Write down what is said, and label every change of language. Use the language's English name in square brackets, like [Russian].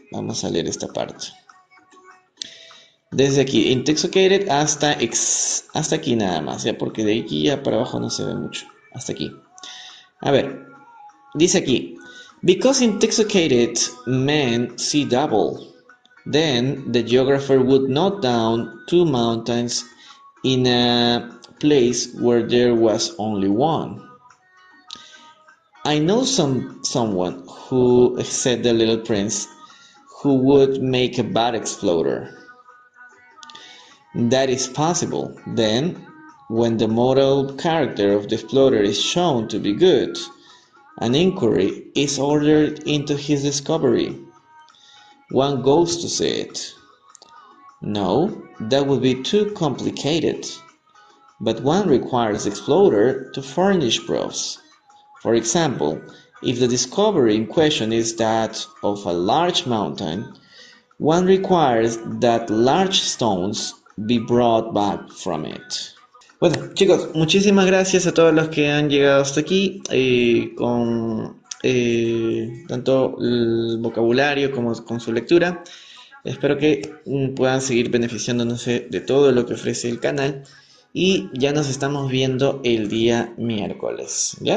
[Spanish] Vamos a leer esta parte. Desde aquí, intoxicated hasta aquí nada más, ya porque de aquí ya para abajo no se ve mucho. Hasta aquí. A ver, dice aquí: [English] Because intoxicated men see double, then the geographer would note down two mountains in a place where there was only one. I know someone who said the little prince who would make a bad explorer. That is possible. Then, when the moral character of the explorer is shown to be good, an inquiry is ordered into his discovery. One goes to see it. No, that would be too complicated. But one requires the explorer to furnish proofs. For example, if the discovery in question is that of a large mountain, one requires that large stones be brought back from it. [Spanish] Bueno, chicos, muchísimas gracias a todos los que han llegado hasta aquí con tanto el vocabulario como con su lectura. Espero que puedan seguir beneficiándose de todo lo que ofrece el canal y ya nos estamos viendo el día miércoles, ¿ya?